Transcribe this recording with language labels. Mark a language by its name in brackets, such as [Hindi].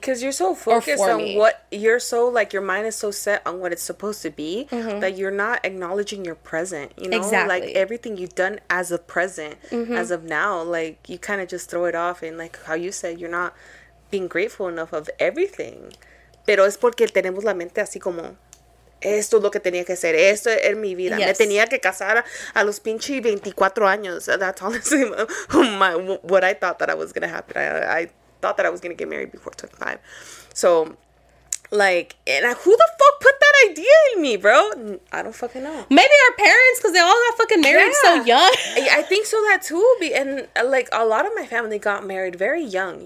[English] Because you're so focused on what you're so like, your mind is so set on what it's supposed to be, mm-hmm. that you're not acknowledging your present, you know? Exactly. Like everything you've done as a present, mm-hmm. as of now, like you kind of just throw it off, and like how you said, you're not being grateful enough of everything. [Spanish] Pero es porque tenemos la mente así como, esto es lo que tenía que hacer, esto es mi vida. [English] Yes. [Spanish] Me tenía que casar a los pinche 24 años. [English] That's honestly what I thought that I was going to happen. I thought that I was going to get married before 25. So, like, and who the fuck put that idea in me, bro? I don't fucking know. Maybe our parents, because they all got fucking married so young. I think so, that too. And, like, a lot of my family got married very young.